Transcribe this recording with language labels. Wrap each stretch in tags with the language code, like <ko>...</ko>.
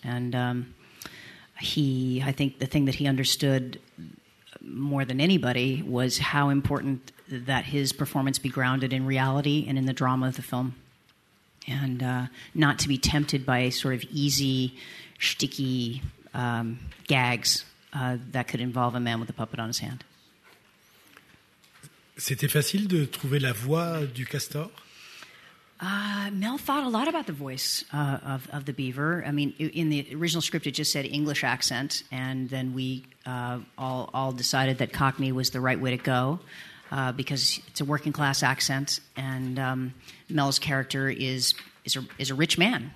<en>And I think the thing that he understood more than anybody was how important that his performance be grounded in reality and in the drama of the film. And not to be tempted by sort of easy, shticky gags that could involve a man with a puppet on his hand.</en> <fr>C'était facile de trouver la voix du castor?</fr> <en>Mel thought a lot about the voice of the beaver. I mean, in the original script, it just said English accent, and then we all decided that Cockney was the right way to go. Because it's a working class accent, and Mel's character is a rich man.</en>